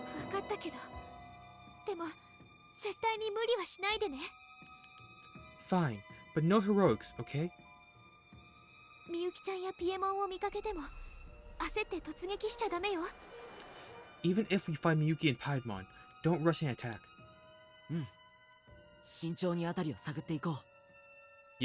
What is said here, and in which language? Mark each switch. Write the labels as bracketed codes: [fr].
[ja] 分かったけど、でも絶対に無理はしないでね。 [en] Fine, but no heroics, okay? [ja] みゆきちゃんやピエモンを見かけても、焦って突撃しちゃダメよ。 [en] Even if we find Miyuki and Piedmon, don't rush and attack. [ja] うん。慎重にあたりを探っていこう。